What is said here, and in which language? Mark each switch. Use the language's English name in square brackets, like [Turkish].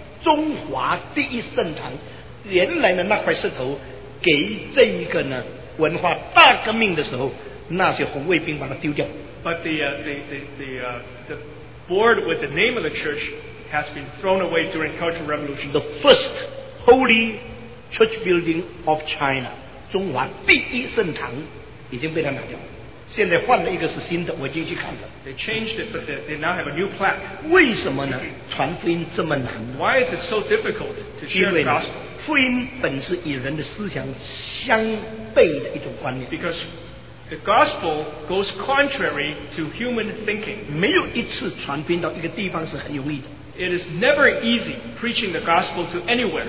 [Chinese] 它在中华第一圣堂, 原来的那块石头, 给这一个呢, 文化大革命的时候, 那些红卫兵把它丢掉。 [English] But the board with the name of the church has been thrown away during Cultural Revolution. The first holy church building of China. [Chinese] 中华第一圣堂已经被他拿掉，现在换了一个是新的，我已经去看了。They [English] changed it, but they now have a new plaque. [Chinese] 为什么呢？传福音这么难。Why [English] is it so difficult to share the gospel？ [Chinese] 福音本是与人的思想相悖的一种观念。 [English] Because the gospel goes contrary to human thinking. [Chinese] 没有一次传福音到一个地方是很容易的。It [English] is never easy preaching the gospel to anywhere.